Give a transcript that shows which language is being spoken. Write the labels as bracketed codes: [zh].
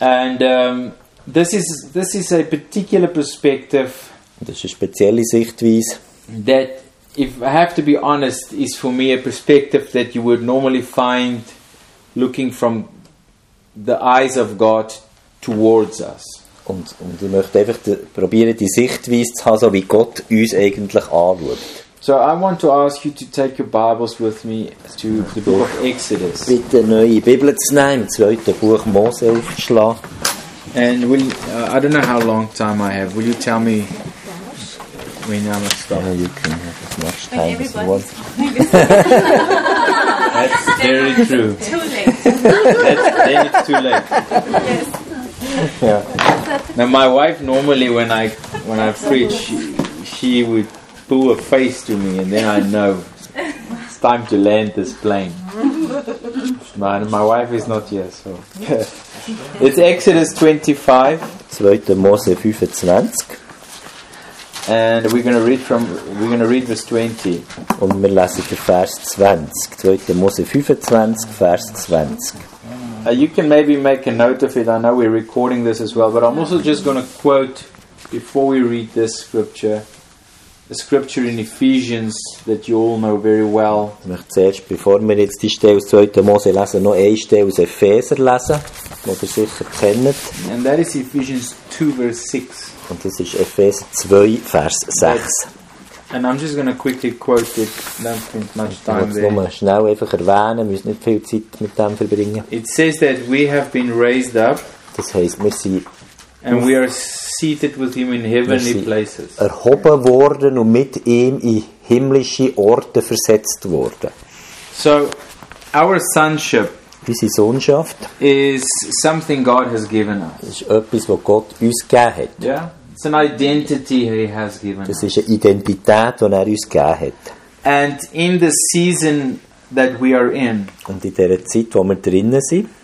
[en] And this is a particular perspective. [de] Das ist eine spezielle Sichtweise. [en] That, if I have to be honest, is for me a perspective that you would normally find looking from the eyes of God towards us. [de] Und ich möchte einfach probieren, die Sichtweise zu haben, so wie Gott uns eigentlich anschaut. [en] So I want to ask you to take your Bibles with me to the book of Exodus. [de] Bitte neue Bibel zu nehmen, zweite Buch Mose aufschlagen. [en] And will I don't know how long time I have. Will you tell me when I must stop? Yeah, you can have as much time as you want. That's very true. Too late. That's too late. Yes. Yeah. Now my wife normally when I preach, she would pull a face to me and then I know it's time to land this plane. My wife is not here, so it's Exodus 25. [de] 2. Mose 25. [en] And we're gonna read verse 20. [de] Und wir lesen den Vers 20. 2. Mose 25, Vers 20. [en] You can maybe make a note of it. I know we're recording this as well, but I'm also just gonna quote before we read this scripture. A scripture in Ephesians that you all know very well. [de] Ich möchte zuerst, bevor wir jetzt die Stelle aus 2. Mose lesen, noch eine Stelle aus Epheser lesen, die ihr sicher kennt. [en] And that is Ephesians 2, verse 6. [de] Und das ist Epheser 2, Vers 6. [en] And I'm just going to quickly quote it. Don't spend much time there. [de] Ich möchte es nur schnell einfach erwähnen, wir müssen nicht viel Zeit mit dem verbringen. [en] It says that we have been raised up. [de] Das heisst, wir sind. [en] And we are seated with him in heavenly places. [de] Erhoben worden und mit ihm in himmlische Orte versetzt worden. [en] So, our sonship. [de] Unsere Sonnschaft. [en] Is something God has given us. [de] Ist etwas, was Gott uns gegeben hat. [en] Yeah, it's an identity He has given us. [de] Das ist eine Identität, die er uns gegeben hat. [en] And in the season that we are in. [de] Und in dieser Zeit, wo wir drinnen sind.